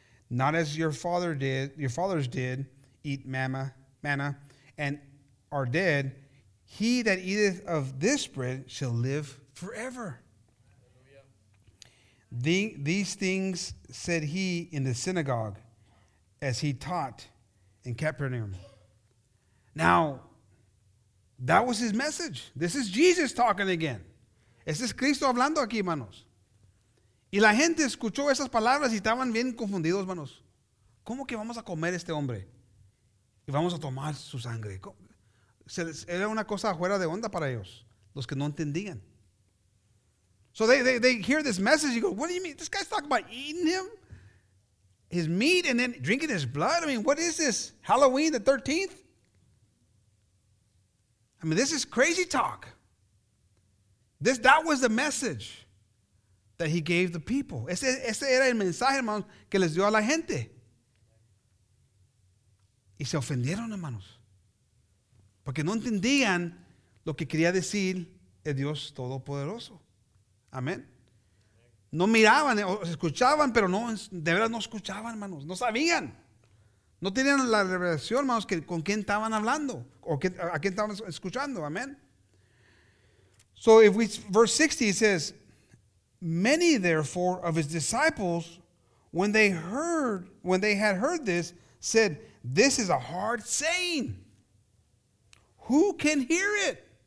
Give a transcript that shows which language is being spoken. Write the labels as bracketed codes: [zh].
[en] Not as your fathers did eat manna and are dead, he that eateth of this bread shall live forever. These things said he in the synagogue as he taught in Capernaum. Now, that was his message. This is Jesus talking again. [es] Este es Cristo hablando aquí, hermanos. Y la gente escuchó esas palabras y estaban bien confundidos, hermanos. ¿Cómo que vamos a comer este hombre? Y vamos a tomar su sangre. Era una cosa fuera de onda para ellos, los que no entendían. [en] So they hear this message, you go, what do you mean? This guy's talking about eating him, his meat, and then drinking his blood. I mean, what is this? Halloween the 13th? I mean, this is crazy talk. That was the message that he gave the people. [es] Ese era el mensaje, hermanos, que les dio a la gente. Y se ofendieron, hermanos. Porque no entendían lo que quería decir el Dios Todopoderoso. Amén. No miraban, escuchaban, pero no, de verdad no escuchaban, hermanos. No sabían. No tenían la revelación, hermanos, que con quién estaban hablando o a quién estaban escuchando. Amén. [en] So, verse 60, it says, many, therefore, of his disciples, when they had heard this, said, this is a hard saying. Who can hear it?